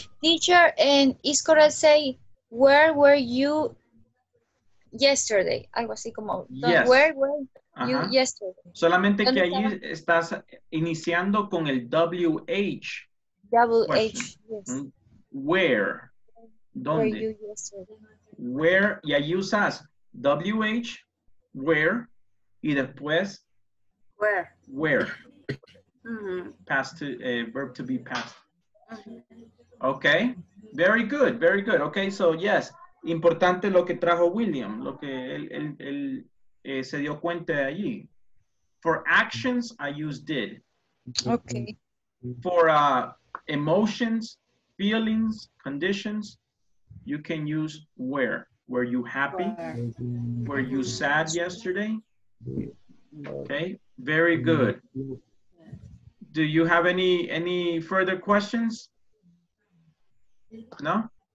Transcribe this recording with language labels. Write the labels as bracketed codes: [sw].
[en] Teacher, and is correct say, where were you yesterday? [es] Algo así como, [en] yes. Where were you yesterday? [es] Solamente que ahí estás iniciando con el WH. [en] WH, yes. Where? [es] ¿Dónde? [en] Were you yesterday? [es] Where, y ahí usas WH, where, y después, [en] where. Mm-hmm. Past to, verb to be past. Okay, very good, very good. Okay, so yes, [es] importante lo que trajo William, lo que él se dio cuenta de allí. [en] For actions, I use did. Okay. For emotions, feelings, conditions, you can use where. Were you happy? Were you sad yesterday? Okay, very good. Do you have any further questions? No?